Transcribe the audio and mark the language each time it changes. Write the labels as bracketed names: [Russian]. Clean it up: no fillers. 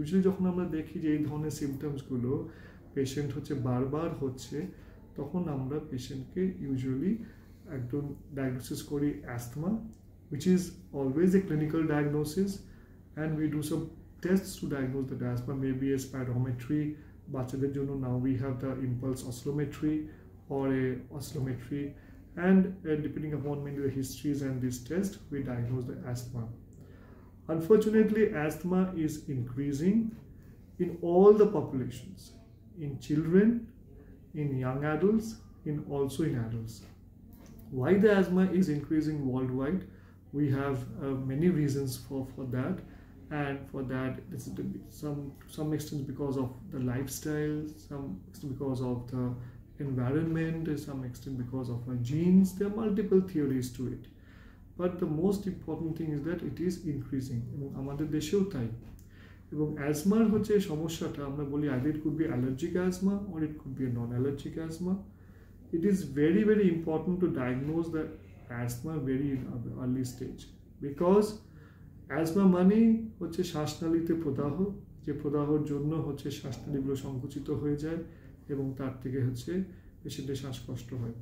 [Bangla] Usually যখন আমরা দেখি যে এই ধরনের সিমটমসগুলো পেশেন্ট হচ্ছে বারবার হচ্ছে, তখন আমরা পেশেন্টকে ইউজুয়ালি একদম ডায়াগনোসিস করি [English] asthma, which is always a clinical diagnosis, and we do some tests to diagnose the asthma, may be a spirometry, [Bangla] বাচ্চাদের জন্য [English] Now we have the impulse oscillometry or a oscillometry, and depending upon many the histories and this test we diagnose the asthma. Unfortunately, asthma is increasing in all the populations, in children, in young adults, in also in adults. Why the asthma is increasing worldwide? We have many reasons for that, and for that this is some extent because of the lifestyle, some extent because of the environment, some extent because of our genes. There are multiple theories to it. But the most important thing is that it is increasing. [Bangla] এবং আমাদের দেশেও তাই, এবং অ্যাজমার হচ্ছে সমস্যাটা আমরা বলি [English] Either it could be allergic asthma or it could be non allergic asthma. It is very very important to diagnose the asthma very in early stage, because [Bangla] asthma মানেই হচ্ছে শ্বাসনালীতে প্রদাহ, যে প্রদাহর জন্য হচ্ছে শ্বাসনালীগুলো সংকুচিত হয়ে যায় এবং তার থেকে হচ্ছে পেশেন্টের শ্বাসকষ্ট হয়।